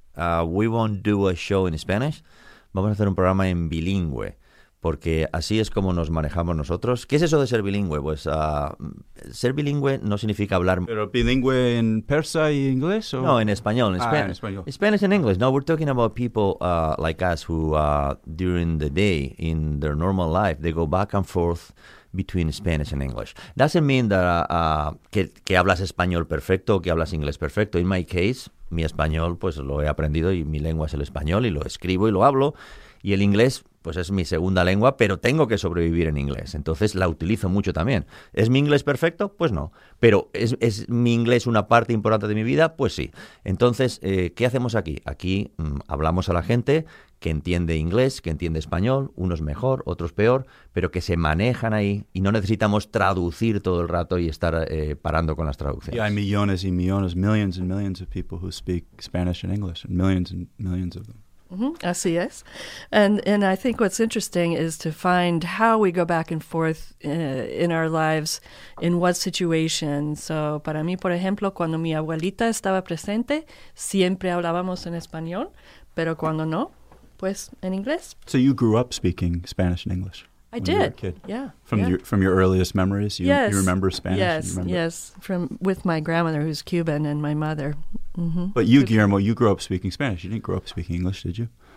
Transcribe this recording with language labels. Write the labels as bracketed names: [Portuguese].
[English] We won't do a show in Spanish. [Spanish] Vamos a hacer un programa en bilingüe, porque así es como nos manejamos nosotros. ¿Qué es eso de ser bilingüe? Pues ser bilingüe no significa hablar... ¿Pero bilingüe en persa y inglés? No, en español. En español. [English] Spanish and English. No, we're talking about people like us who during the day, in their normal life, they go back and forth between Spanish and English. Doesn't mean that [Spanish] que hablas español perfecto o que hablas inglés perfecto. [English] In my case, [Spanish] mi español pues lo he aprendido y mi lengua es el español y lo escribo y lo hablo. Y el inglés pues es mi segunda lengua, pero tengo que sobrevivir en inglés. Entonces la utilizo mucho también. ¿Es mi inglés perfecto? Pues no. ¿Pero es mi inglés una parte importante de mi vida? Pues sí. Entonces, ¿qué hacemos aquí? Aquí hablamos a la gente que entiende inglés, que entiende español, unos mejor, otros peor, pero que se manejan ahí y no necesitamos traducir todo el rato y estar parando con las traducciones. Y hay millones y millones, [English] millions and millions of people who speak Spanish and English, and millions of them. [Spanish] Mm-hmm. Así es. [English] And I think what's interesting is to find how we go back and forth in our lives, in what situation. [Spanish] So para mí, por ejemplo, cuando mi abuelita estaba presente, siempre hablábamos en español, pero cuando no, pues en inglés. [English] So you grew up speaking Spanish and English. I did. When you were a kid. From your earliest memories, you remember Spanish? Yes, with my grandmother, who's Cuban, and my mother. Mm-hmm. But you, Guillermo, you grew up speaking Spanish. You didn't grow up speaking English, did you?